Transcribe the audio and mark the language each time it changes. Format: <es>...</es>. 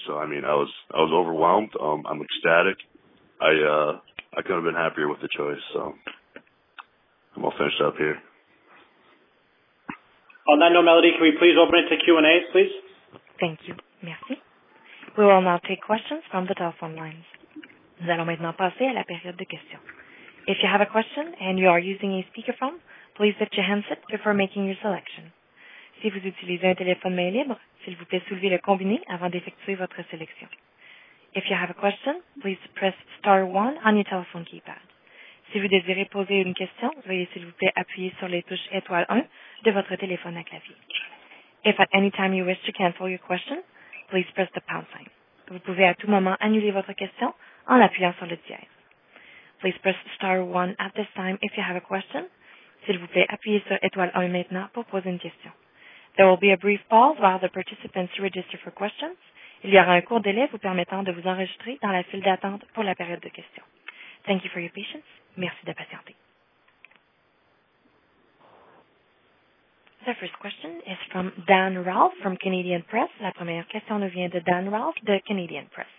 <en>So, I mean, I was overwhelmed. I'm ecstatic. I could have been happier with the choice, so I'm all finished up here. On that note, Melody, can we please open it to Q&A, please? Thank you. Merci. We will now take questions from the telephone lines.</en> <fr>Nous allons maintenant passer à la période de questions.</fr> <en>If you have a question and you are using a speakerphone, please lift your handset before making your selection.</en> <fr>Si vous utilisez un téléphone main libre, s'il vous plaît soulevez le combiné avant d'effectuer votre sélection.</fr> <en>If you have a question, please press star 1 on your telephone keypad.</en> <fr>Si vous désirez poser une question, veuillez s'il vous plaît appuyer sur les touches étoile 1 de votre téléphone à clavier.</fr> <en>If at any time you wish to cancel your question, please press the pound sign.</en> <fr>Vous pouvez à tout moment annuler votre question en appuyant sur le dièse.</fr> <en>Please press star 1 at this time if you have a question.</en> <fr>S'il vous plaît, appuyez sur étoile 1 maintenant pour poser une question.</fr> <en>There will be a brief pause while the participants register for questions.</en> <fr>Il y aura un court délai vous permettant de vous enregistrer dans la file d'attente pour la période de questions.</fr> <en>Thank you for your patience. Merci de patienter. The first question is from Dan Ralph from Canadian Press.</en> <fr>La première question nous vient de Dan Ralph de Canadian Press.</fr>